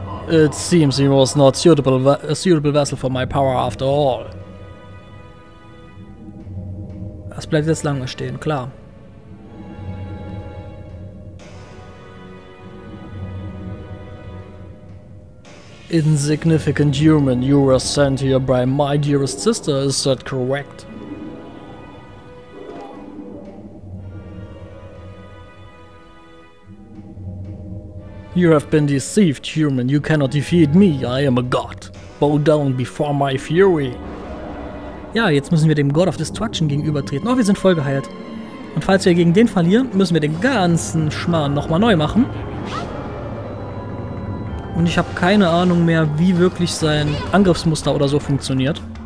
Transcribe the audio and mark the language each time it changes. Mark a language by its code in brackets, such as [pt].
[en] It seems he was not suitable, a suitable vessel for my power after all. [de] Das bleibt jetzt lange stehen, klar. [en] Insignificant human, you were sent here by my dearest sister, is that correct? You have been deceived, human. You cannot defeat me. I am a god. Bow down before my fury. [de] Ja, jetzt müssen wir dem God of Destruction gegenübertreten. Oh, wir sind voll geheilt. Und falls wir gegen den verlieren, müssen wir den ganzen Schmarrn nochmal neu machen. Und ich habe keine Ahnung mehr, wie wirklich sein Angriffsmuster oder so funktioniert.